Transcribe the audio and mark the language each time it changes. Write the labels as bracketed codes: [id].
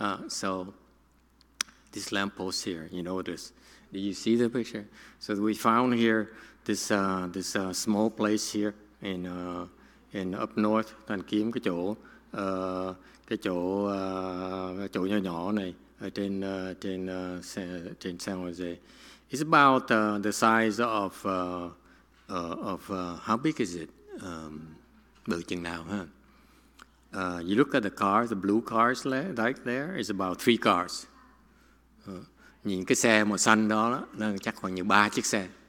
[en] So this lamppost here, you know this. Did you see the picture? So we found here this small place here in up north, Thành Kiếm, [vi] cái chỗ nhỏ nhỏ này ở trên San Jose. [en] It's about the size of how big is it? [vi] Bự chừng nào ha? [en] You look at the car, the blue cars right there, it's about 3 cars. [vi] Nhìn cái xe màu xanh đó, nó chắc khoảng như 3 chiếc xe.